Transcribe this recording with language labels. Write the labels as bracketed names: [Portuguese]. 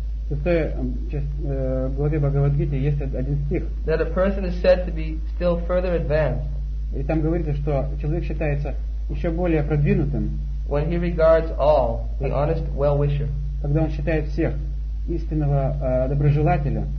[Russian] В шестой главе Бхагавадгиты есть один стих. [English] That a person is said to be still further advanced. [Russian] И там говорится, что человек считается еще более продвинутым. [English] When he regards all, the honest well-wisher. [Russian] Когда он считает всех истинного доброжелателя.